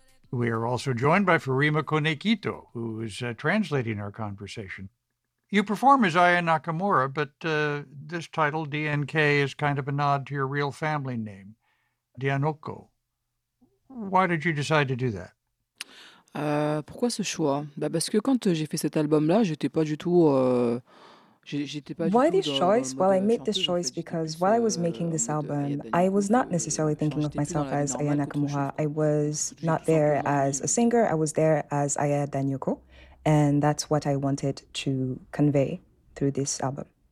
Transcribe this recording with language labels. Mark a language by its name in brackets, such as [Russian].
[English] We are also joined by Farima Konekito, who is translating our conversation. You perform as Aya Nakamura, but this title, DNK, is kind of a nod to your real family name, Dianoko. Why did you decide to do that? [French] Pourquoi ce choix? Bah parce que quand j'ai fait cet album-là, j'étais pas du tout. [English] Why this choice? Well, I made this choice because while I was making this album, I was not necessarily thinking of myself as Aya Nakamura. I was not there as a singer. I was there as Aya Dianoko, and that's what I wanted to convey through this album.